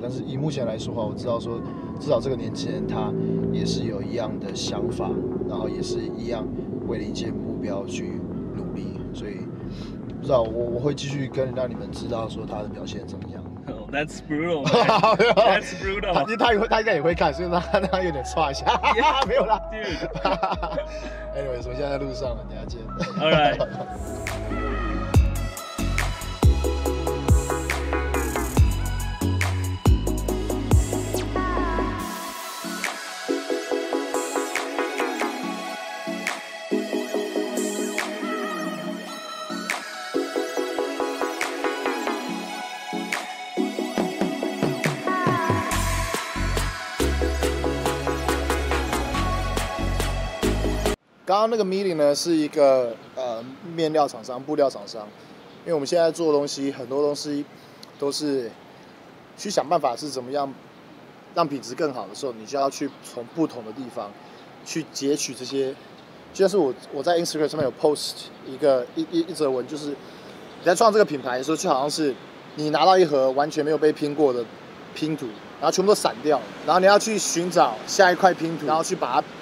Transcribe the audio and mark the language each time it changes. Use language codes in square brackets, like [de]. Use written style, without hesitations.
[zh] 但是以目前来说的话，我知道说至少这个年轻人他也是有一样的想法，然后也是一样为了一些目标去努力，所以不知道我会继续跟让你们知道说他的表现怎么样。 [en] Oh, that's brutal. That's brutal. [zh] 他应该也会看，所以他有点刷一下。 Yeah, 没有啦。 [en] Dude. [zh] Anyways, 我们现在在路上了，等下见。 [en] All right. 刚刚 [zh] 那个 meeting 呢，是一个面料厂商、布料厂商，因为我们现在做的东西很多东西都是去想办法是怎么样让品质更好的时候，你就要去从不同的地方去截取这些。就像是我在 Instagram 上面有 post 一则文，就是你在创这个品牌的时候，就好像是你拿到一盒完全没有被拼过的拼图，然后全部都散掉，然后你要去寻找下一块拼图，然后去把它。